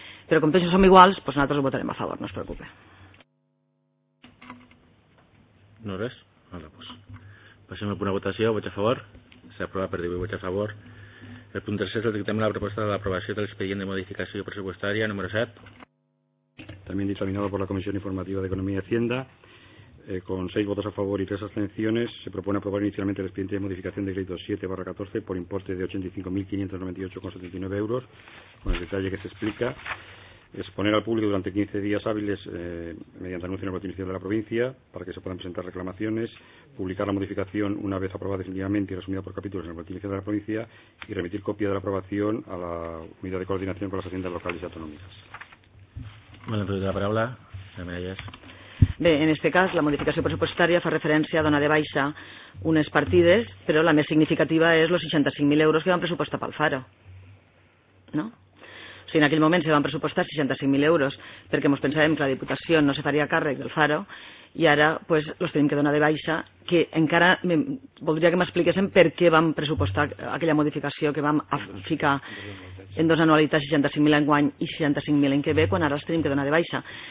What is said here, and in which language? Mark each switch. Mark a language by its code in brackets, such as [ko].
[ca] Però com que som iguals, pues, nosaltres ho votarem a favor, no es preocupe. No res? Vale, pues. Passem al punt de votació, vaig a favor. S'aprova per 18, vaig a favor. El punt 3 és el dictamen de la proposta de l'aprovació de l'expedient de modificació pressupostària número 7. [es] També dictaminado por la Comisión Informativa de Economía y Hacienda, con 6 votos a favor y 3 abstenciones, se propone aprobar inicialmente el expediente de modificación de crédito 7/14 por importe de 85.598,79 €, con el detalle que se explica. Exponer al público durante 15 días hábiles mediante anuncio en el boletín oficial de la provincia para que se puedan presentar reclamaciones, publicar la modificación una vez aprobada definitivamente y resumida por capítulos en el boletín oficial de la provincia y remitir copia de la aprobación a la unidad de coordinación con las haciendas locales y autonómicas. Bueno, entonces la palabra, la Mireyes. [ca] Bé, en este cas, la modificació pressupostària fa referència a donar de baixa unes partides, però la més significativa és els 65.000 euros que van pressupostar pel Faro. No? Si en aquell moment se van pressupostar 65.000 euros perquè ens pensàvem que la Diputació no se faria càrrec del Faro i ara pues, los tenim que donar de baixa, que encara voldria que m'expliquessin per què vam pressupostar aquella modificació que vam ficar en dos anualitats, 65.000 en guany i 65.000 en que ve, quan ara els tenim que donar de baixa.